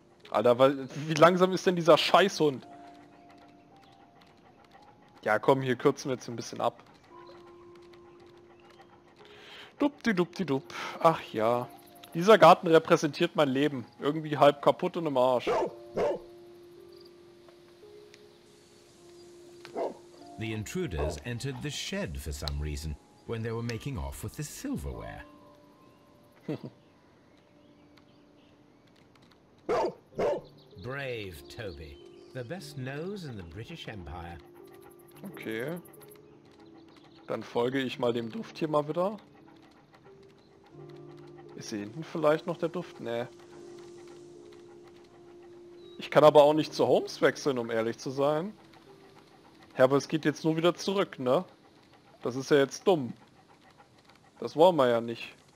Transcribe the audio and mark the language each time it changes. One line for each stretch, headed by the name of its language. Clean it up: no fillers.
German: Alter, wie langsam ist denn dieser Scheißhund? Ja, komm, hier kürzen wir jetzt ein bisschen ab. Dupp-di-dupp-di-dupp. Ach ja. Dieser Garten repräsentiert mein Leben. Irgendwie halb kaputt und im Arsch.
English: The intruders entered the shed for some reason when they were making off with the silverware. Brave Toby. The best nose in the British Empire.
German: Okay. Dann folge ich mal dem Duft hier mal wieder. Ist hier hinten vielleicht noch der Duft? Nee. Ich kann aber auch nicht zu Holmes wechseln, um ehrlich zu sein. Ja, aber es geht jetzt nur wieder zurück, ne? Das ist ja jetzt dumm. Das wollen wir ja nicht.